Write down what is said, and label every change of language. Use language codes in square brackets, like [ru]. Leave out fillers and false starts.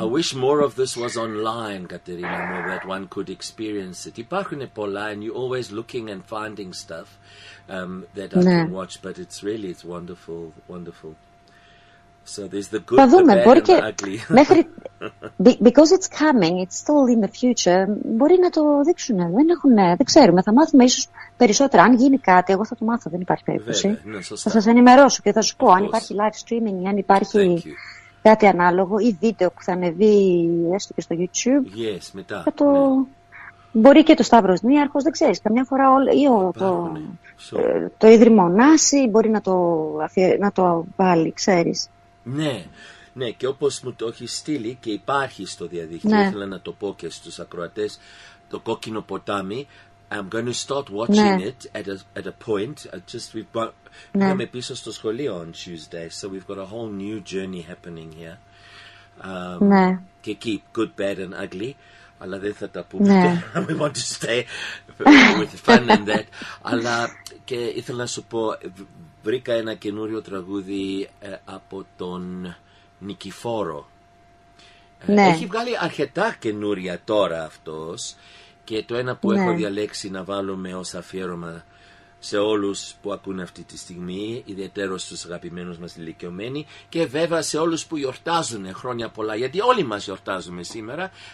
[en] I wish more of this was online, Κατερίνα μου, that one could experience it. [el] Υπάρχουν πολλά, [en] and you're always looking and finding stuff that I [el] ναι. [en] can watch, but it's really, it's wonderful, wonderful. So there's the good, [el] θα δούμε, [en] the bad, [el] μπορεί [en] and [el] και [en] ugly. [el] Μέχρι, [en] because it's coming, it's still in the future, [el] μπορεί να το δείξουν, δεν έχουν, δεν ξέρουμε, θα μάθουμε ίσως περισσότερα. Αν γίνει κάτι, εγώ θα το μάθω, δεν υπάρχει περίπτωση. Ναι, θα σας ενημερώσω και θα σου πω, αν υπάρχει live streaming, αν υπάρχει κάτι ανάλογο ή βίντεο που θα ανεβεί έστω και στο YouTube. [en] Yes, [el] μετά. Θα το... ναι. Μπορεί και το Σταύρος Νίαρχος, δεν ξέρεις. Καμιά φορά όλο... ή ο, το... [en] So. [el] Το Ίδρυμα Νάση μπορεί να το, να το βάλει, ξέρεις. Ναι, ναι, και όπως μου το έχει στείλει και υπάρχει στο διαδίκτυο, ναι. ήθελα να το πω και στους ακροατές, το Κόκκινο Ποτάμι. [en] I'm going to start watching [el] ναι. [en] it at a point. Just we've got [el] ναι. Είμαι πίσω στο σχολείο [en] on Tuesday, so we've got a whole new journey happening here. [el] Ναι. Και εκεί, [en] good, bad and ugly. [el] Αλλά δεν θα τα πούμε ναι. τώρα. [en] We want to stay with fun and that. [el] Αλλά και ήθελα να σου πω, βρήκα ένα καινούριο τραγούδι από τον Νικηφόρο. Ναι. Έχει βγάλει αρκετά καινούρια τώρα αυτός. Και το ένα που ναι. έχω διαλέξει να βάλουμε ως αφιέρωμα σε όλους που ακούν αυτή τη στιγμή, ιδιαίτερως στους αγαπημένους μας ηλικιωμένοι και βέβαια σε όλους που γιορτάζουν χρόνια πολλά, γιατί όλοι μας γιορτάζουμε σήμερα.